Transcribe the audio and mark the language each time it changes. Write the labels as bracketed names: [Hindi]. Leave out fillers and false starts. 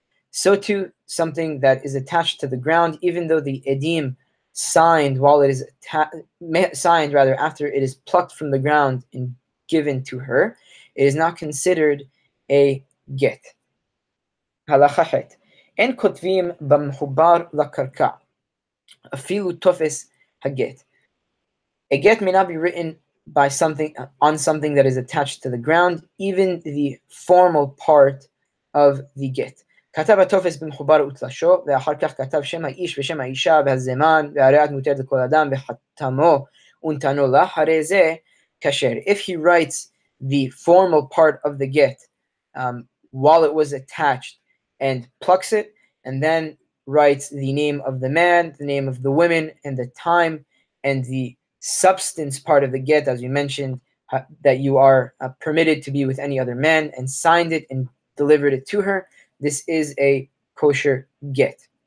[English] So too, something that is attached to the ground, even though the edim signed while it is signed after it is plucked from the ground and given to her, it is not considered a get. Halacha het. [Hebrew] En kotvim bamhubar lakarka afilu tofes haget. [English] A get may not be written by something on something that is attached to the ground, even the formal part of the get. [Hebrew] כתב התופס במחובר ותלשו, ואחר כך כתב שם האיש ושם האישה, והזמן, והריאת מותרת לכל אדם, וחתמו ונתנו לה, הרי זה כשר. [English] If he writes the formal part of the get while it was attached and plucks it, and then writes the name of the man, the name of the woman, and the time, and the substance part of the get, as you mentioned, that you are permitted to be with any other man, and signed it and delivered it to her, this is a kosher get.